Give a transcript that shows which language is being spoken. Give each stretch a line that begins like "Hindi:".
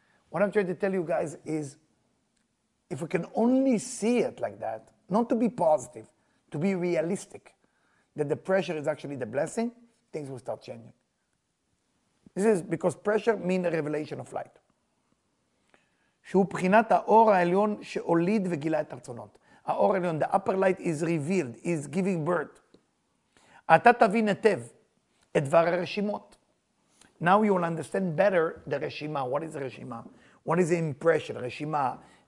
English: What I'm trying to tell you guys is, if we can only see it like that, not to be positive, to be realistic, that the pressure is actually the blessing, things will start changing. This is because pressure means a revelation of light.
Hebrew: שהוא בחינת האור העליון שהוליד וגילה את הרצונות. האור העליון,
English: the upper light is revealed, is giving birth.
Hebrew: אתה תבין היטב את דבר הרשימות.
English: Now you will understand better the רשימה. What is the רשימה? What is the impression? רשימה.